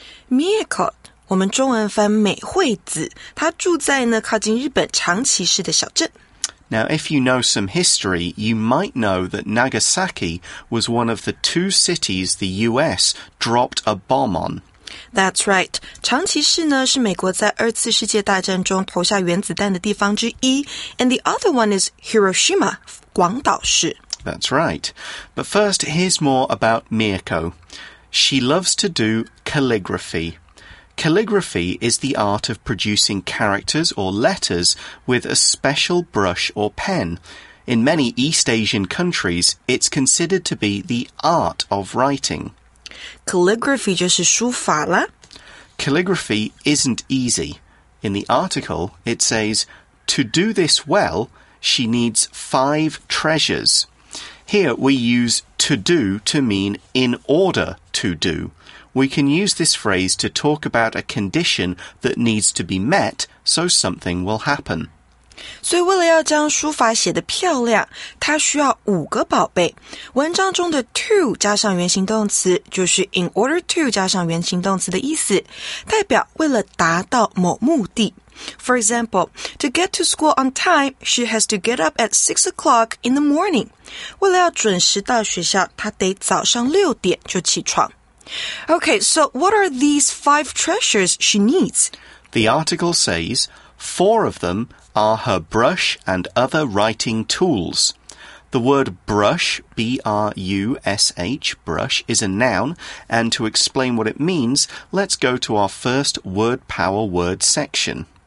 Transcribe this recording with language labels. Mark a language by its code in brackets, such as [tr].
[zh] Mieko, 我们中文翻美惠子，她住在呢靠近日本长崎市的小镇。 [en] Now, if you know some history, you might know that Nagasaki was one of the two cities the U.S. dropped a bomb on. That's right. [zh] 长崎市呢是美国在二次世界大战中投下原子弹的地方之一。 [en] And the other one is Hiroshima, 广岛市。 That's right. But first, here's more about Mieko. She loves to do calligraphy. Calligraphy is the art of producing characters or letters with a special brush or pen. In many East Asian countries, it's considered to be the art of writing. [zh] Calligraphy 就是书法啦。 [en] Calligraphy isn't easy. In the article, it says, to do this well, she needs 5 treasures. Here we use to do to mean in order to do. We can use this phrase to talk about a condition that needs to be met so something will happen. [zh] 所以为了要将书法写得漂亮，它需要五个宝贝。文章中的 to 加上原形动词就是 in order to 加上原形动词的意思，代表为了达到某目的。 [en] For example, to get to school on time, she has to get up at 6 o'clock in the morning. [zh] 为了要准时到学校，她得早上六点就起床。 [en] Okay, so what are these 5 treasures she needs? The article says, 4 of them are her brush and other writing tools. The word brush, B-R-U-S-H, brush, is a noun, and to explain what it means, let's go to our first word power word section.